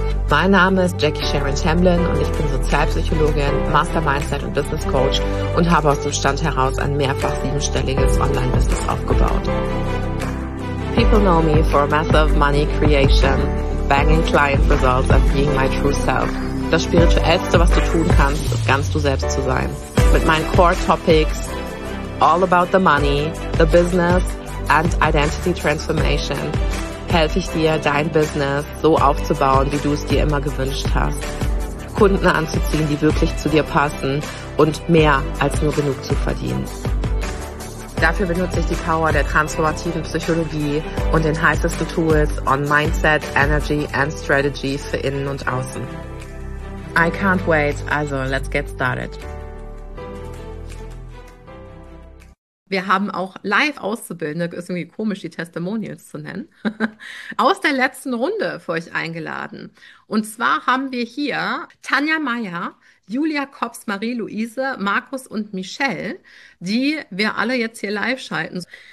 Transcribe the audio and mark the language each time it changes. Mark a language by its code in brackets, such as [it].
[de] Mein Name ist Jackie Sharon Tamblyn und ich bin Sozialpsychologin, Master Mindset und Business Coach und habe aus dem Stand heraus ein mehrfach siebenstelliges Online-Business aufgebaut. [en] People know me for massive money creation, banging client results and being my true self. [de] Das Spirituellste, was du tun kannst, ist ganz du selbst zu sein. Mit meinen Core Topics, [en] all about the money, the business and identity transformation, [de] helfe ich dir, dein Business so aufzubauen, wie du es dir immer gewünscht hast. Kunden anzuziehen, die wirklich zu dir passen und mehr als nur genug zu verdienen. Dafür benutze ich die Power der transformativen Psychologie und den heißesten Tools [en] on Mindset, Energy and Strategies [de] für innen und außen. [en] I can't wait, also let's get started. [de] Wir haben auch Live-Auszubildende, ist irgendwie komisch, die Testimonials zu nennen, aus der letzten Runde für euch eingeladen. Und zwar haben wir hier Tanja Meyer, Julia Kops, Marie-Luise, Markus und Michelle, die wir alle jetzt hier live schalten.